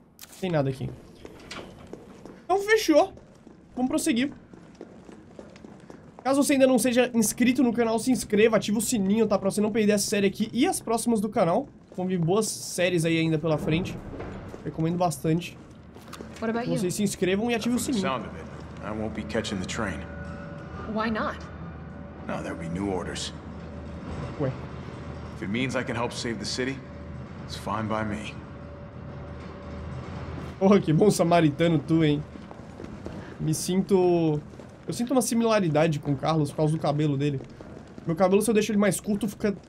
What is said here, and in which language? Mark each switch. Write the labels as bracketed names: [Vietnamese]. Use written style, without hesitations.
[Portuguese] Não tem nada aqui. Então, fechou. Vamos prosseguir. Caso você ainda não seja inscrito no canal, se inscreva, ativa o sininho, tá? Pra você não perder essa série aqui e as próximas do canal. Vão vir boas séries aí ainda pela frente. Recomendo bastante. Vocês se inscrevam e ativem o sininho. [English] I won't be catching the train. Why not? No, there'll be new orders. Ué. If it means I can help save the city, it's fine by me. [Portuguese] Oh, que bom samaritano tu, hein? Me sinto... Eu sinto uma similaridade com o Carlos por causa do cabelo dele. Meu cabelo, se eu deixo ele mais curto, fica...